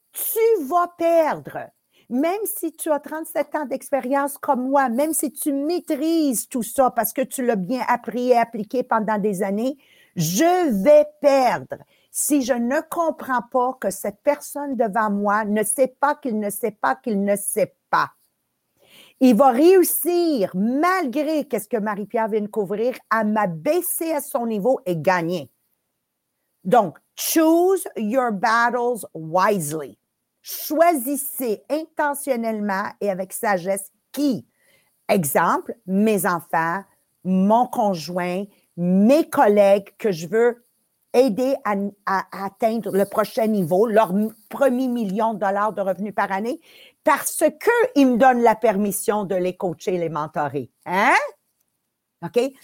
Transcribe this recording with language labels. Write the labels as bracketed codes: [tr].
[fr] Tu vas perdre. Même si tu as 37 ans d'expérience comme moi, même si tu maîtrises tout ça parce que tu l'as bien appris et appliqué pendant des années, je vais perdre si je ne comprends pas que cette personne devant moi ne sait pas qu'il ne sait pas qu'il ne sait pas. Il va réussir, malgré qu'est-ce que Marie-Pierre vient de couvrir, à m'abaisser à son niveau et gagner. [en] Donc, choose your battles wisely. [fr] Choisissez intentionnellement et avec sagesse qui. Exemple, mes enfants, mon conjoint, mes collègues que je veux aider à atteindre le prochain niveau, leur premier million de dollars de revenus par année, parce qu'ils me donnent la permission de les coacher, les mentorer. Hein? OK?